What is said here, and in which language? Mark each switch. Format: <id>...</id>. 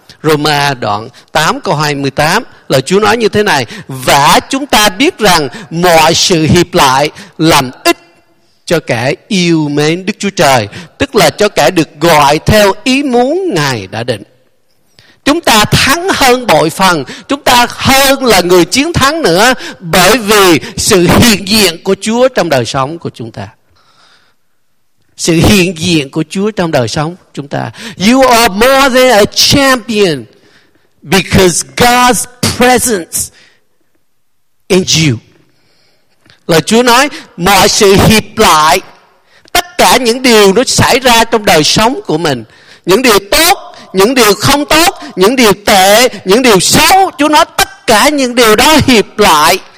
<vi>Roma đoạn 8 câu 28, lời Chúa nói như thế này: và chúng ta biết rằng mọi sự hiệp lại làm ích cho kẻ yêu mến Đức Chúa Trời, tức là cho kẻ được gọi theo ý muốn Ngài đã định. Chúng ta thắng hơn bội phần, chúng ta hơn là người chiến thắng nữa, bởi vì sự hiện diện của Chúa trong đời sống của chúng ta. Sự hiện diện của Chúa trong đời sống chúng ta.</vi> <en>You are more than a champion because God's presence in you.</en> <vi>Lời Chúa nói, mọi sự hiệp lại, tất cả những điều nó xảy ra trong đời sống của mình, những điều tốt, những điều không tốt, những điều tệ, những điều xấu, Chúa nói tất cả những điều đó hiệp lại.</vi>